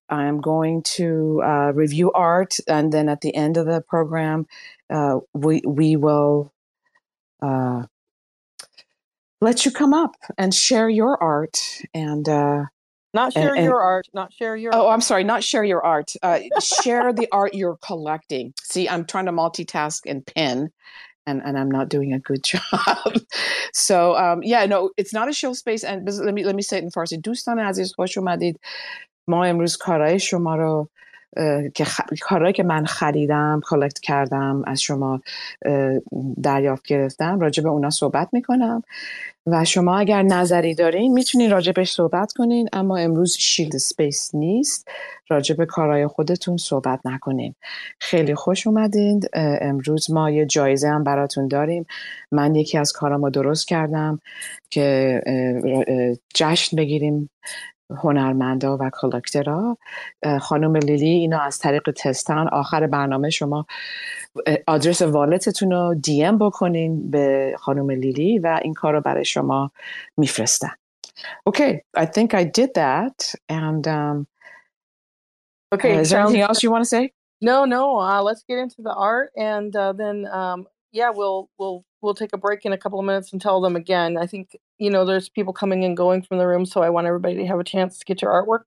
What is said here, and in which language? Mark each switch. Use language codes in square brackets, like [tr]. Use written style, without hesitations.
[en] I'm going to review art. And then at the end of the program, we will let you come up and share your art and not share your art. I'm sorry, not share your art. share the art you're collecting. See, I'm trying to multitask and pin, and I'm not doing a good job. So it's not a show space. And let me say it in Farsi. [fa] دوستان عزیز خوش اومدید. ما امروز کارای شما رو کارهایی که من خریدم کالکت کردم از شما دریافت گرفتم راجع به اونا صحبت میکنم و شما اگر نظری دارین میتونین راجع بهش صحبت کنین، اما امروز شیلد سپیس نیست راجع به کارهای خودتون صحبت نکنین. خیلی خوش اومدین، امروز ما یه جایزه هم براتون داریم. من یکی از کارامو درست کردم که جشن بگیریم هنرمندا و کلکترا. خانم لیلی اینا از طریق تستان آخر برنامه شما آدرس والتتون رو دی ام بکنین به خانم لیلی و این کار رو برای شما میفرستن. [en] Okay, I think I did that. And is there anything else you want to say? No. Let's get into the art, and we'll take a break in a couple of minutes and tell them again. I think, you know, there's people coming and going from the room, so I want everybody to have a chance to get your artwork.